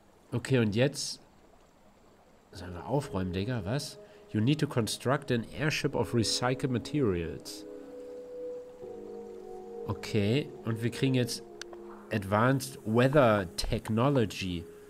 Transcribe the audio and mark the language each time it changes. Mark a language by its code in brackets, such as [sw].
[de] Okay, und jetzt sollen wir aufräumen, Digga, was? [en] You need to construct an airship of recycled materials. [de] Okay, und wir kriegen jetzt Advanced Weather Technology.